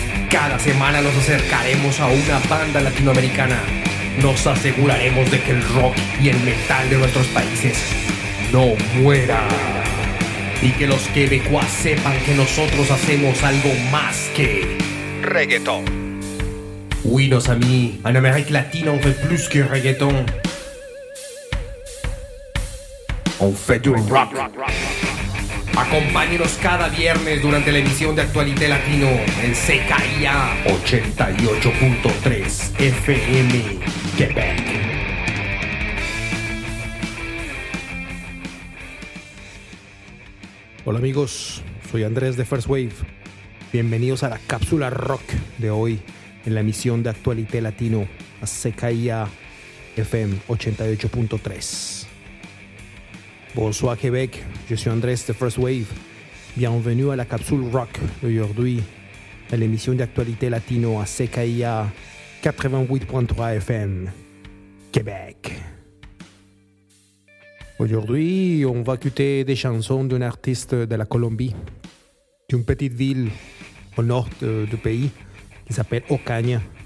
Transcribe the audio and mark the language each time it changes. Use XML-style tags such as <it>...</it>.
<es>Cada semana nos acercaremos a una banda latinoamericana. Nos aseguraremos de que el rock y el metal de nuestros países no muera. Y que los quebecuas sepan que nosotros hacemos algo más que reggaeton.</es> <fr>Oui, nos amis, en Amérique latine on fait plus que reggaeton. On fait du rock.</fr> <es>Acompáñenos cada viernes durante la emisión de Actualité Latino en CKIA 88.3 FM Quebec. Hola amigos, soy Andrés de First Wave. Bienvenidos a la cápsula rock de hoy en la emisión de Actualité Latino a CKIA FM 88.3.</es> <fr>Bonsoir Québec, je suis Andrés de First Wave. Bienvenue à la capsule rock d'aujourd'hui, à l'émission d'actualité latino à CKIA 88.3 FM, Québec. Aujourd'hui, on va écouter des chansons d'un artiste de la Colombie, d'une petite ville au nord du pays qui s'appelle Ocaña.</fr>